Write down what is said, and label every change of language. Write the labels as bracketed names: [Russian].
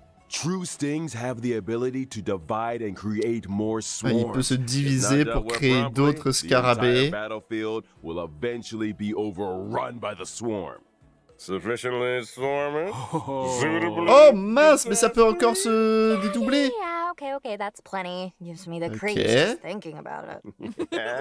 [English] True stings have the ability to divide and create more swarms. [French] Il peut se diviser pour créer d'autres scarabées. [English] The battlefield will eventually be overrun by the swarm. Sufficiently swarming. [French] Oh mince, mais ça peut encore se dédoubler. [English] Okay, that's plenty. Gives me the creeps just thinking about it.